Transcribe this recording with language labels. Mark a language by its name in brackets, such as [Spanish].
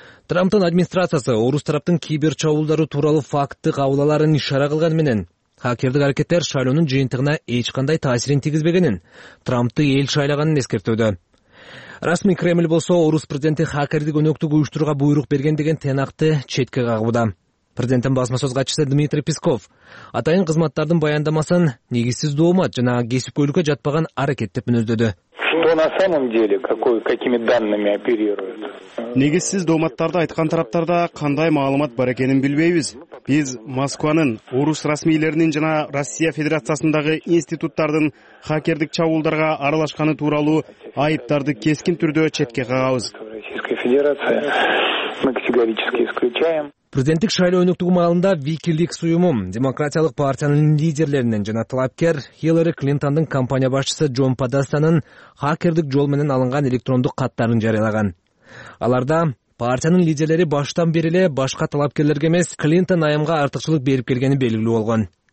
[Kyrgyz] Трамптын администрациясы орус тараптын кибер чабуулдары тууралуу факты кабыл аларын ишара кылган менен, хакердик аракеттер шайлоонун жыйынтыгына эч кандай таасирин тийгизбегенин, Трампты эл шайлаганын эскертүүдө. Расмий Кремль болсо орус президенти хакердик өнөктүк уюштурууга буйрук берген деген тыянакты четке кагууда. президенттин басмасөз катчысы Дмитрий Песков атайын кызматтардын баяндамасын негизсиз доомат жана кесипкөйлүккө жатпаган аракет деп мүнөздөдү. [Russian] Что на самом деле, какими данными оперируют? [Kyrgyz] Негизсиз дооматтарды айткан тараптарда кандай маалымат бар экенин билбейбиз. Биз Москванын, Орус расмийлеринин жана Россия Федерациясындагы институттардын хакердик чабуулдарга аралашканы тууралуу айыптарды кескин түрдө четке кагабыз. [Russian] Российская Федерация мы категорически исключаем. [Kyrgyz] Президенттик шайлоо өнөктүгү маалында WikiLeaks уюму демократиялык партиянын лидерлеринен жана талапкер Хиллари Клинтондун компания башчысы Джон Подестанын хакердик жол менен алынган электрондук каттарын жарыялаган. Аларда партиянын лидерлери баштан бери эле башка талапкерлерге эмес Клинтон айымга артыкчылык берип келгени белгилүү болгон.